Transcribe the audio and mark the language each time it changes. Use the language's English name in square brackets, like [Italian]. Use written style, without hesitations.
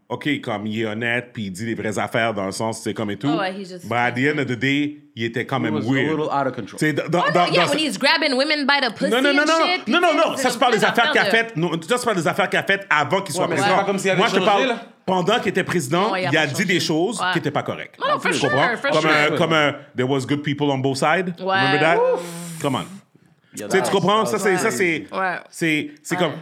[French] OK, comme il est honnête, puis il dit les vraies affaires dans le sens, c'est comme et tout. [English] Oh, ouais, he's just... But at the end of the day, [French] il était quand même [English] weird. He was a little out of control. When he's grabbing women by the pussy and shit. [French] Non. Ça, c'est pas les affaires qu'il a faites. Ça, c'est pas les affaires qu'il a faites avant qu'il soit président. Moi, je te parle... Pendant qu'il était président, il a dit des choses qui n'étaient pas correctes. [English] Non, for sure, for sure. [French] Comme un... [English] There was good people on both sides. Remember that? Come on. [French] Tu comprends? Ça, c'est... C'est comme...